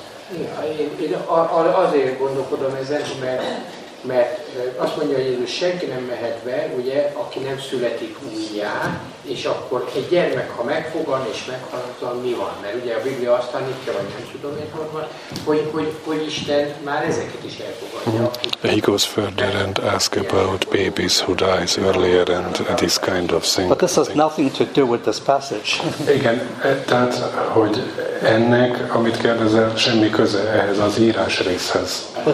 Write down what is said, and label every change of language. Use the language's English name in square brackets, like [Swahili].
[Hungarian] Én azért gondolkodom ezen, mert azt mondja, hogy Jézus, senki nem mehet be, ugye, aki nem születik újjá, és akkor egy gyermek, ha megfogan és meghalatlan, mi van? Mert ugye a Biblia azt tanítja, vagy nem tudom én, hogy Isten már ezeket is elfogadja. [English] He goes further and asks about babies who dies earlier and this kind of thing. But this has nothing to do with this passage. [Hungarian] Igen, tehát, hogy ennek, amit kérdezel, semmi köze ehhez az írás részhez.